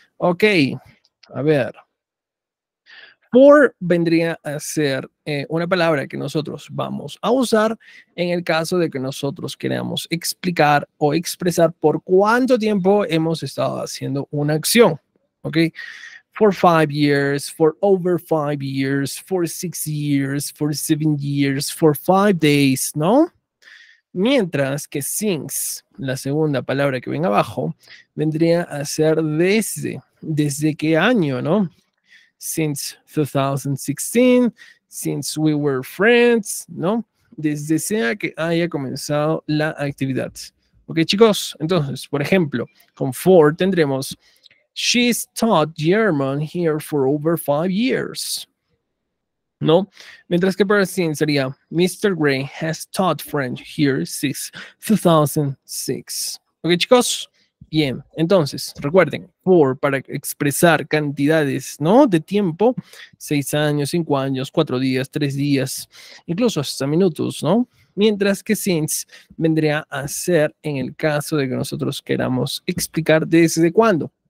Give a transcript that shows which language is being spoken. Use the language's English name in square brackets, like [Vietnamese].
[Spanish] Ok, a ver. For vendría a ser una palabra que nosotros vamos a usar en el caso de que nosotros queramos explicar o expresar por cuánto tiempo hemos estado haciendo una acción. [English] Okay, for 5 years, for over 5 years, for 6 years, for 7 years, for 5 days, ¿no? [Spanish] Mientras que since, la segunda palabra que ven abajo, vendría a ser desde qué año, ¿no? [English] Since 2016, since we were friends, ¿no? [Spanish] Desde sea que haya comenzado la actividad. Okay, chicos, entonces, por ejemplo, con for tendremos... [English] She's taught German here for over 5 years. [Spanish] ¿No? Mientras que para sin sería, Mr. [English] Gray has taught French here since 2006. [Spanish] ¿Ok, chicos? Bien. Entonces, recuerden, for para expresar cantidades, ¿no? De tiempo, 6 años, 5 años, 4 días, 3 días, incluso hasta minutos, ¿no? Mientras que since vendría a ser en el caso de que nosotros queramos explicar desde cuándo.